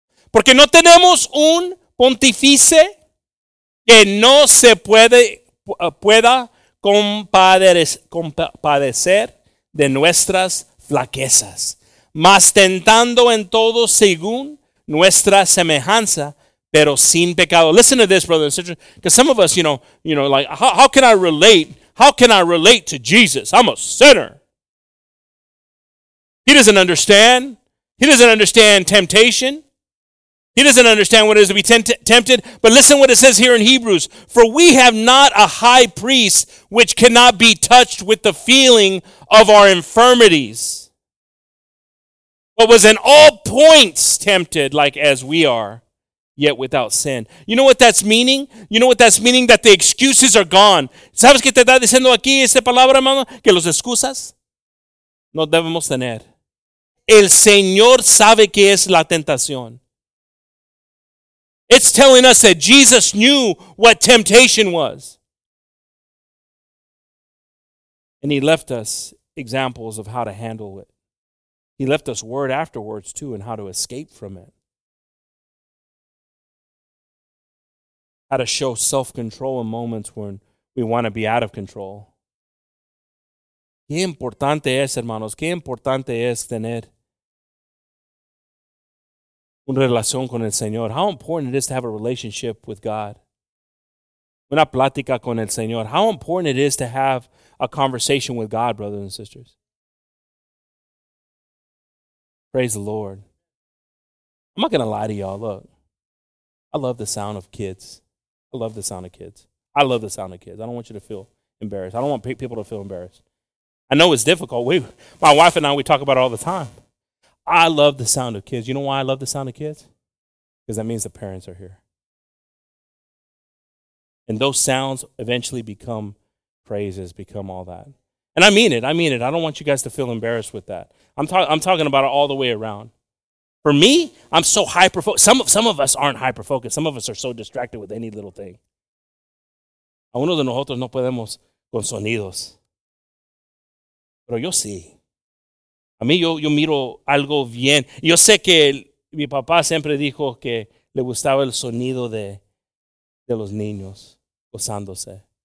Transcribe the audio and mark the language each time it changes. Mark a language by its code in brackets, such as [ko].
[es] Porque no tenemos un pontífice que no se pueda compadecer de nuestras flaquezas, mas tentando en todo según nuestra semejanza, pero sin pecado. [en] Listen to this, brothers and sisters, because some of us, you know, like, how can I relate? How can I relate to Jesus? I'm a sinner. He doesn't understand. He doesn't understand temptation. He doesn't understand what it is to be tempted. But listen what it says here in Hebrews. For we have not a high priest which cannot be touched with the feeling of our infirmities, but was in all points tempted like as we are, yet without sin. You know what that's meaning? You know what that's meaning? That the excuses are gone. [es] ¿Sabes qué te está diciendo aquí esta palabra, hermano? Que las excusas no debemos tener. El Señor sabe qué es la tentación. [en] It's telling us that Jesus knew what temptation was. And he left us examples of how to handle it. He left us word afterwards, too, and how to escape from it. How to show self-control in moments when we want to be out of control. [es] Qué importante es, hermanos, qué importante es tener una relación con el Señor. [en] How important it is to have a relationship with God. [es] Una plática con el Señor. [en] How important it is to have a conversation with God, brothers and sisters. Praise the Lord. I'm not going to lie to y'all. Look, I love the sound of kids. I love the sound of kids. I love the sound of kids. I don't want you to feel embarrassed. I don't want people to feel embarrassed. I know it's difficult. My wife and I, we talk about it all the time. I love the sound of kids. You know why I love the sound of kids? Because that means the parents are here. And those sounds eventually become praises, become all that. And I mean it. I don't want you guys to feel embarrassed with that. I'm talking about it all the way around. For me, I'm so hyper-focused. Some of us aren't hyper-focused. Some of us are so distracted with any little thing. [es] A uno de nosotros no podemos con sonidos. Pero yo sí. A mí yo miro algo bien. Yo sé que mi papá siempre dijo que le gustaba el sonido de los niños gozándose.